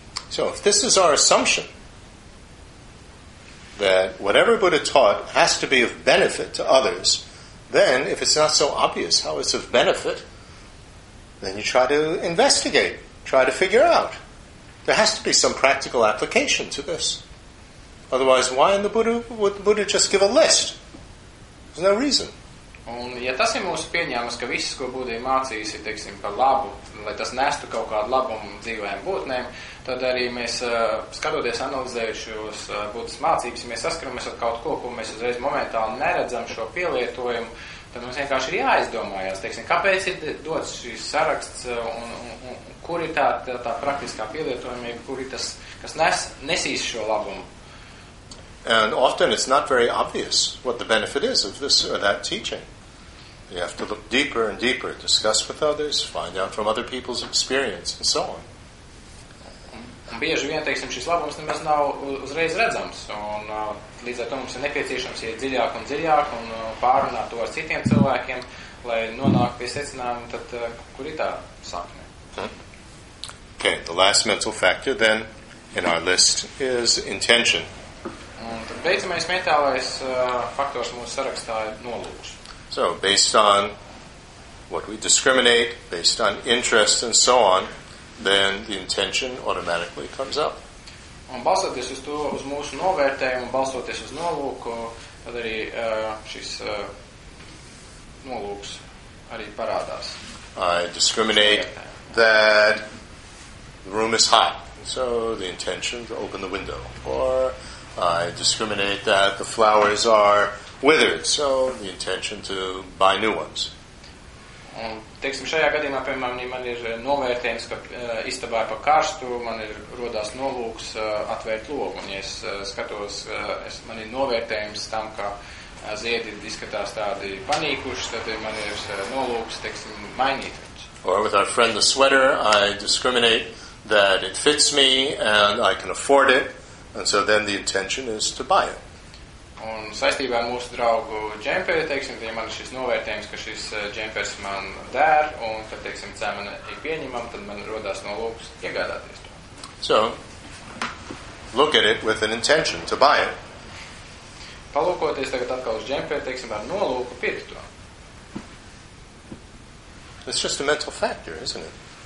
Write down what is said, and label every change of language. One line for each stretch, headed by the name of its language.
English: So, if this is our assumption, that whatever Buddha taught has to be of benefit to others, then, if it's not so obvious how it's of benefit, then you try to investigate, try to figure out. There has to be some practical application to this. Otherwise, why in the Buddha would the Buddha just give a list? There's no reason.
Latvian: Un, ja tas ir mūsu pieņēmums, ka viss, ko Buddha ir mācījis, ir, teiksim, par labu, lai tas nestu kaut kādu labumu dzīvajām būtnēm, tad arī mēs, skatoties, analizējušos Buddhas mācības, mēs saskaramies ar kaut ko, ko mēs uzreiz momentāli neredzam šo pielietojumu, tad mums vienkārši ir jāaizdomājās, teiksim, kāpēc ir dots šis saraksts un kur ir tā praktiskā pielietojumība, kur ir tas, kas nesīs šo labumu.
English: And often it's not very obvious what the benefit is of this or that teaching. You have to look deeper and deeper, discuss with others, find out from other people's experience, and so on.
Latvian: Un bieži vien, teiksim, šis labums nemaz nav uzreiz redzams, un līdz ar to mums ir nepieciešams iet dziļāk un dziļāk un pārunāt to ar citiem cilvēkiem, lai nonāk pie secinājuma, tad kur ir tā sākne?
English: Okay, the last mental factor then in our list is intention.
Latvian: Beidzamais mentālais faktors mūsu sarakstā ir nolūks.
English: So, based on what we discriminate, based on interest and so on, then the intention automatically comes up.
Latvian: Un balstoties uz to, uz mūsu novērtējumu, balstoties uz nolūku, tad arī šis nolūks arī parādās.
English: I discriminate that the room is hot, so the intention to open the window, or I discriminate that the flowers are withered, so the intention to buy new ones.
Latvian: Un, teiksim, šajā gadījumā, piemēram, man ir novērtējums, ka istabā ir pa karstu, man ir rodās nolūks atvērt logu, un, ja es skatos, man ir novērtējums tam, ka ziedi izskatās tādi panīkuši, tad man ir nolūks, teiksim, mainīt.
English: Or with our friend the sweater, I discriminate that it fits me and I can afford it, and so then the intention is to buy it.
Latvian: Un saistībā ar mūsu draugu džemperi, teiksim, ja man ir šis novērtējums, ka šis džempers man dēr, un, kad, teiksim, cēmene ir pieņemam, tad man rodās no lūpas iegādāties to.
English: So, look at it with an intention to buy it.
Latvian: Palūkoties tagad atkal uz džemperi, teiksim, ar nolūku pirkt to.
English: It's just a mental factor, isn't it?